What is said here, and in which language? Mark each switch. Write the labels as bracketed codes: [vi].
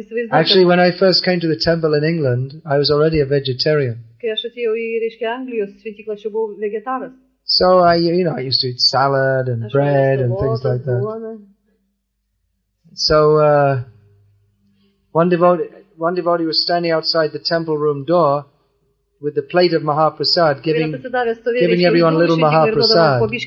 [en] Actually, when I first came to the temple in England, I was already a vegetarian. [lt] Kai aš atėjau į, reiškia, Anglijos šventyklą, aš jau buvau vegetaras. [en] So I, you know, I used to eat salad and bread and things like that. So one devotee was standing outside the temple room door with the plate of Mahaprasad, giving everyone a little Mahaprasad.